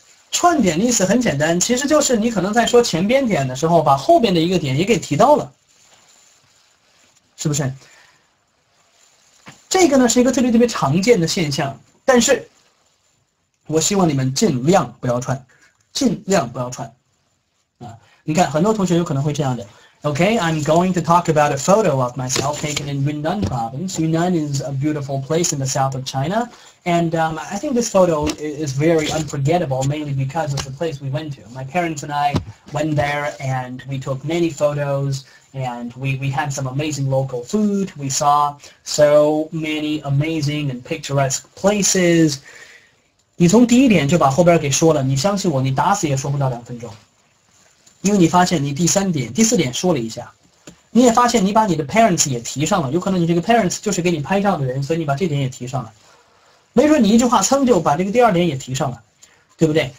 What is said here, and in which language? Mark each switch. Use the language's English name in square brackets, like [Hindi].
[Chinese] 串点的意思很简单，其实就是你可能在说前边点的时候把后边的一个点也给提到了，是不是？这个呢是一个特别特别常见的现象，但是我希望你们尽量不要串，尽量不要串啊！你看很多同学有可能会这样的， [English] Okay, I'm going to talk about a photo of myself taken in Yunnan province. Yunnan is a beautiful place in the south of China, and I think this photo is very unforgettable, mainly because of the place we went to. My parents and I went there, and we took many photos, and we had some amazing local food. We saw so many amazing and picturesque places. [Chinese] 你从第一点就把后边给说了，你相信我，你打死也说不到两分钟。因为你发现你第三点第四点说了一下，你也发现你把你的 parents 也提上了，有可能你这个 parents 就是给你拍照的人，所以你把这点也提上了，没准你一句话蹭就把这个第二点也提上了，对不对？